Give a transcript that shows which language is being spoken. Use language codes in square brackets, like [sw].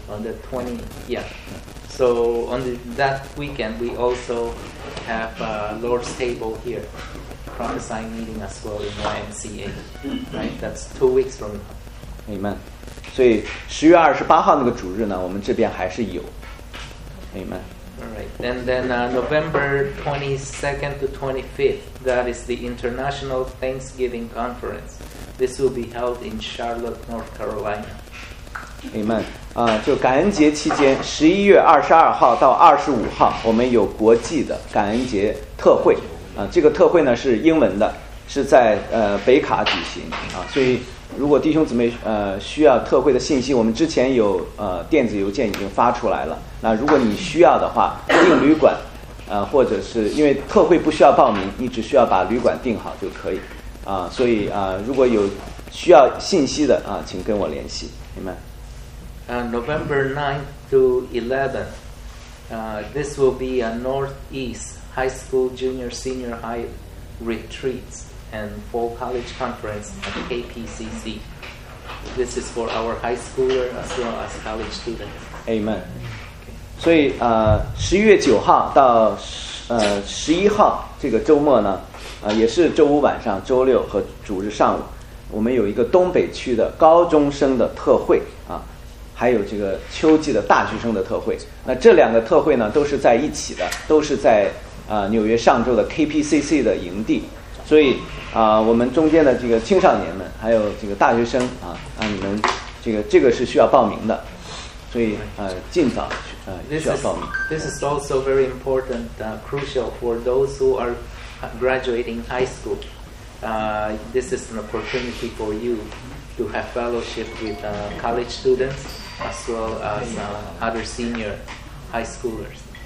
[en] On the 20th. Yeah. So on that weekend we also have a Lord's table here, prophesying meeting as well in YMCA, right? That's 2 weeks from now. Amen。 [zh] 所以10月28号那个主日呢，我们这边还是有 ，Amen。 [en] All right, and then November 22nd to 25th, That is the International Thanksgiving Conference. This will be held in Charlotte, North Carolina. Amen. [zh] 就感恩节期间，11月22号到25号，我们有国际的感恩节特会。这个特会呢是英文的，是在北卡举行啊。所以如果弟兄姊妹需要特会的信息，我们之前有电子邮件已经发出来了。那如果你需要的话，订旅馆。或者是因为特会不需要报名，你只需要把旅馆订好就可以，所以如果有需要信息的请跟我联系，明白？ [en] November 9th to 11th, this will be a Northeast High School Junior Senior High Retreats and Fall College Conference at KPCC. This is for our high schooler as well as college students. Amen. [zh] 所以11月9号到11号这个周末呢也是周五晚上周六和主日上午我们有一个东北区的高中生的特会还有这个秋季的大学生的特会那这两个特会呢都是在一起的都是在纽约上周的 KPCC 的营地所以我们中间的这个青少年们还有这个大学生那你们这个是需要报名的所以尽早 [en] This is also very important, crucial for those who are graduating high school. This is an opportunity for you to have fellowship with college students as well as other senior high schoolers.